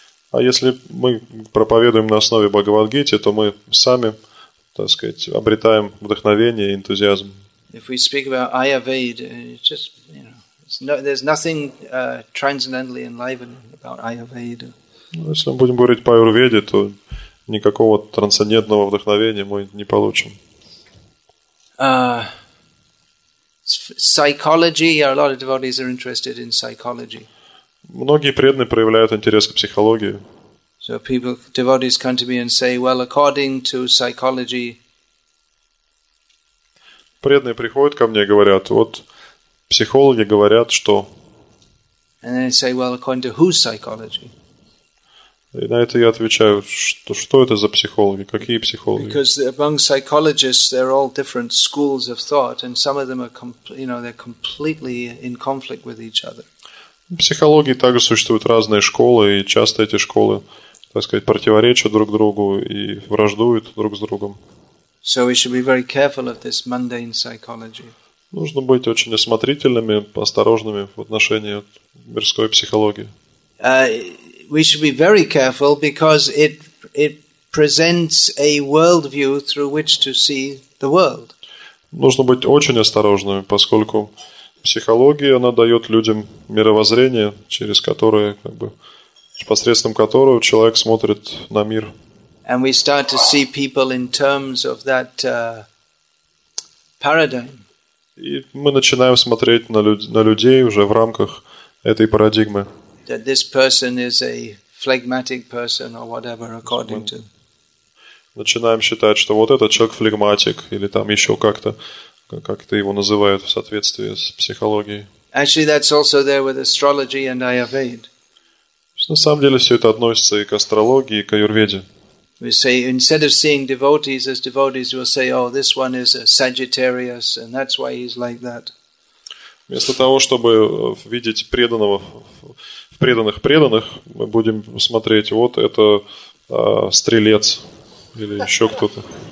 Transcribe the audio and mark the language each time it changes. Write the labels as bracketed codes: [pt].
[ru] А если мы проповедуем на основе Бхагавадгиты, то мы сами, так сказать, обретаем вдохновение и энтузиазм. [en] If we speak about Ayurveda, it's just, you know, there's nothing transcendentally enlivening about Ayurveda. [ru] Если мы будем говорить по Аюрведе, то никакого трансцендентного вдохновения мы не получим. [en] Psychology, a lot of devotees are interested in psychology. [ru] Многие преданные проявляют интерес к психологии. [en] So people, devotees come to me and say, well, according to psychology, [ru] преданные приходят ко мне и говорят, вот психологи говорят, что... [en] And they say, well, according to whose psychology? [ru] И на это я отвечаю, что это за психологи, какие психологи? [en] Because among psychologists, there are all different schools of thought, and some of them are, you know, they're completely in conflict with each other. [ru] В психологии также существуют разные школы, и часто эти школы, так сказать, противоречат друг другу и враждуют друг с другом. [en] So we should be very careful of this mundane psychology. [ru] Нужно быть очень осмотрительными, осторожными в отношении мирской психологии. [en] We should be very careful because it presents a worldview through which to see the world. [ru] Нужно быть очень осторожными, поскольку психология, она дает людям мировоззрение, через которое, как бы, посредством которого человек смотрит на мир. [en] And we start to see people in terms of that paradigm. [ru] И мы начинаем смотреть на людей уже в рамках этой парадигмы. [en] That this person is a phlegmatic person or whatever, according to. [ru] Начинаем считать, что вот этот человек флегматик или там еще как-то, как-то его называют в соответствии с психологией. [en] Actually, that's also there with astrology and Ayurveda. [ru] На самом деле все это относится и к астрологии, и к Аюрведе. [en] We say, instead of seeing devotees as devotees, we'll say, oh, this one is a Sagittarius, and that's why he's like that. [ru] Вместо того, чтобы видеть преданного в преданных, мы будем смотреть, вот это стрелец, или еще кто-то.